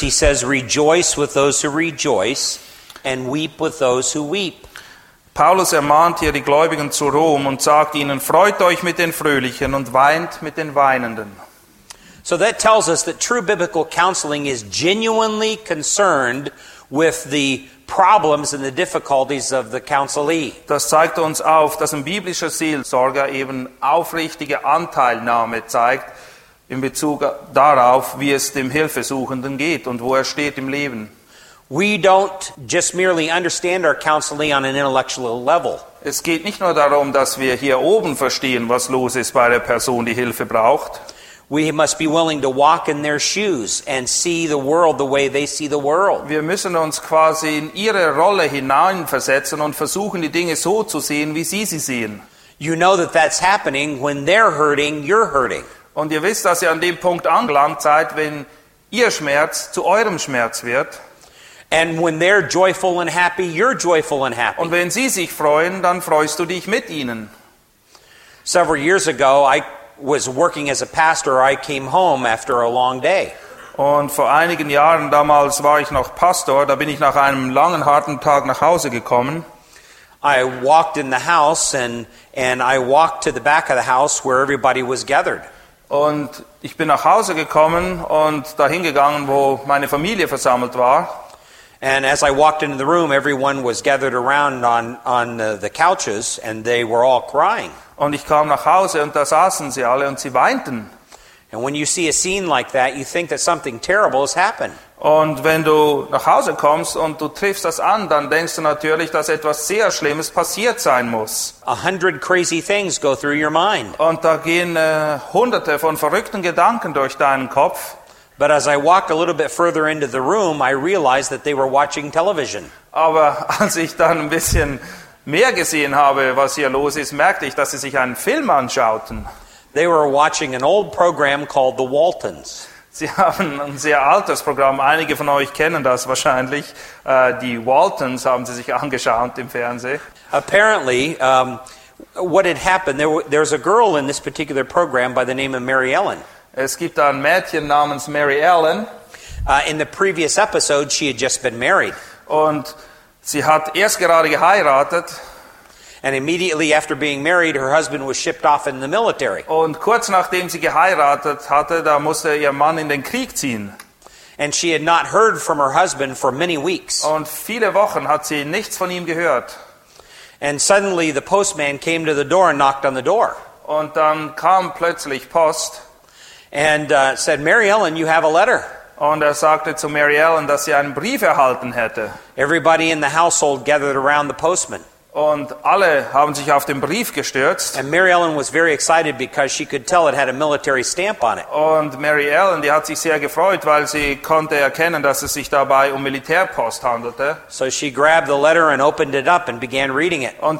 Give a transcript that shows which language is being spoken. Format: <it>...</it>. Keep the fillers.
<en>He says, "Rejoice with those who rejoice, and weep with those who weep."</en> <de>Paulus ermahnt hier die Gläubigen zu Rom und sagt ihnen: Freut euch mit den Fröhlichen und weint mit den Weinenden.</de> <en>So that tells us that true biblical counseling is genuinely concerned with the Problems and the difficulties of the</en> <de>das zeigt uns auf, dass ein biblischer Seelsorger eben aufrichtige Anteilnahme zeigt in Bezug darauf, wie es dem Hilfesuchenden geht und wo er steht im Leben. Es geht nicht nur darum, dass wir hier oben verstehen, was los ist bei der Person, die Hilfe braucht.</de> <en>We must be willing to walk in their shoes and see the world the way they see the world.</en> <de>Wir müssen uns quasi in ihre Rolle hineinversetzen und versuchen die Dinge so zu sehen, wie sie sie sehen.</de> <en>You know that that's happening when they're hurting, you're hurting.</en> <de>Und ihr wisst, dass ihr an dem Punkt angelangt seid, wenn ihr Schmerz zu eurem Schmerz wird.</de> <en>And when they're joyful and happy, you're joyful and happy.</en> <de>Und wenn sie sich freuen, dann freust du dich mit ihnen.</de> <en>Several years ago, I was working as a pastor, I came home after a long day.</en> <de>Und vor einigen Jahren damals war ich noch Pastor, da bin ich nach einem langen harten Tag nach Hause gekommen.</de> <en>I walked in the house and and I walked to the back of the house where everybody was gathered.</en> <de>Und ich bin nach Hause gekommen und dahin gegangen, wo meine Familie versammelt war.</de> <en>And as I walked into the room, everyone was gathered around on, on the couches and they were all crying.</en> <de>Und ich kam nach Hause und da saßen sie alle und sie weinten.</de> <en>And when you see a scene like that, you think that something terrible has happened.</en> <de>Und wenn du nach Hause kommst und du triffst das an, dann denkst du natürlich, dass etwas sehr Schlimmes passiert sein muss.</de> <en>A hundred crazy things go through your mind.</en> <de>Und da gehen äh, uh, hunderte von verrückten Gedanken durch deinen Kopf.</de> <en>But as I walked a little bit further into the room, I realized that they were watching television.</en> <de>Aber als ich dann ein bisschen mehr gesehen habe, was hier los ist, merkte ich, dass sie sich einen Film anschauten.</de> <en>They were watching an old program called The Waltons.</en> <de>Sie haben ein sehr altes Programm. Einige von euch kennen das wahrscheinlich. Uh, die Waltons haben sie sich angeschaut im Fernsehen.</de> <en>Apparently, um, what had happened? there was a girl in this particular program by the name of Mary Ellen.</en> <de>Es gibt ein Mädchen namens Mary Ellen.</de> <en>Uh, in the previous episode, she had just been married.</en> <de>Und sie hat erst gerade geheiratet.</de> <en>And immediately after being married, her husband was shipped off in the military.</en> <de>And Und kurz nachdem sie geheiratet hatte, da musste ihr Mann in den Krieg ziehen.</de> <en>And she had not heard from her husband for many weeks.</en> <de>Und viele Wochen hat sie nichts von ihm gehört.</de> <en>And suddenly the postman came to the door and knocked on the door.</en> <de>Und dann kam plötzlich Post</de> <en>and uh, said, Mary Ellen, you have a letter.</en> <de>Und er sagte zu Mary Ellen, dass sie einen Brief erhalten hätte.</de> <en>Everybody in the household gathered around the postman.</en> <de>Und alle haben sich auf den Brief gestürzt.</de> <en>And Mary Ellen was very excited because she could tell it had a military stamp on it. Ellen,</en> <de>gefreut, erkennen,</de> <en>um so she grabbed the letter and opened it up and began reading it.</en>